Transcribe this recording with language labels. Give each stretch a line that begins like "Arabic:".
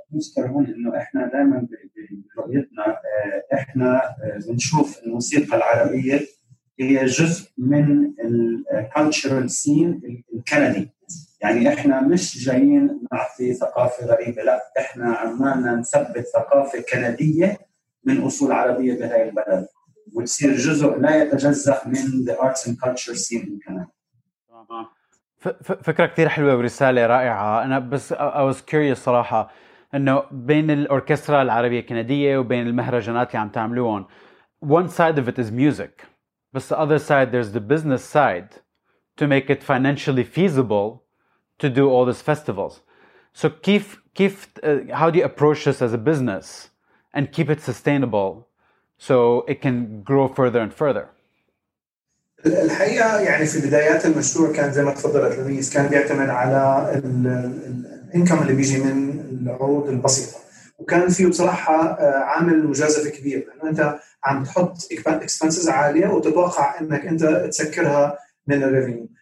Arabic: نذكر هون انه احنا دائما برؤيتنا احنا بنشوف الموسيقى العربيه هي جزء من
English: الكالتشرال سين
Arabic: الكندي. يعني احنا مش جايين نعطي ثقافه غريبه، لا، احنا عمالنا نثبت ثقافه كنديه من اصول عربيه بهاي البلد، وتصير جزء لا يتجزا من
English: the arts and culture scene
Arabic: في كندا. فكرة كتير حلوة ورسالة رائعة. أنا بس
English: I was curious
Arabic: صراحة أنه بين الأوركسترا العربية الكندية وبين المهرجانات اللي عم تعملون،
English: one side of it is music
Arabic: بس
English: the other side there's the business side to make it financially feasible to do all these festivals. So
Arabic: كيف
English: how do you approach this as a business and keep it sustainable so it can grow further and further?
Arabic: الحقيقة يعني في بدايات المشروع كان زي ما تفضلت لميس كان بيعتمد على الـ income اللي بيجي من العروض البسيطة، وكان فيه بصراحة عامل مجازفة كبير لأنه أنت عم تحط expenses عالية وتتوقع أنك أنت تسكرها من الريفينيو.